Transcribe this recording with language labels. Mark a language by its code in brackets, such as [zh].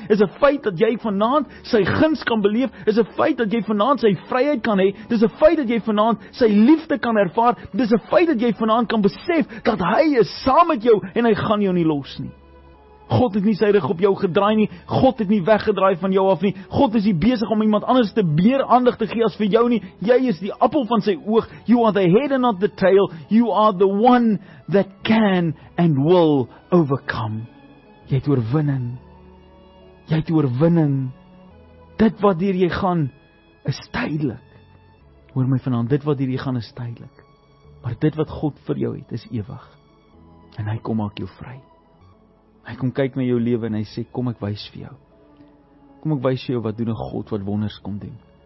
[af] Is 'n feit dat jy vanaand sy guns kan beleef, is 'n feit dat jy vanaand sy vryheid kan hê, dis 'n feit dat jy vanaand sy liefde kan ervaar. Dis 'n feit dat jy vanaand kan besef dat hy is saam met jou en hy gaan jou nie los nie. God het nie sy rug op jou gedraai nie. God het nie weggedraai van jou af nie. God is nie besig om iemand anders te meer aandag te gee as vir jou nie. Jy is die appel van sy oog. [en] You are the head and not the tail. You are the one that can and will overcome. [af] Jy het oorwinning. Jy het oorwinning. Dit wat hier jy gaan is tydelik. Hoor my vanaand, dit wat hier jy gaan is tydelik. Maar dit wat God vir jou het, is ewig. En hy kom maak jou vry. Hy kom kyk na jou lewe en hy sê, kom ek wys vir jou. Kom ek wys vir jou wat doen 'n God wat wonders kom doen.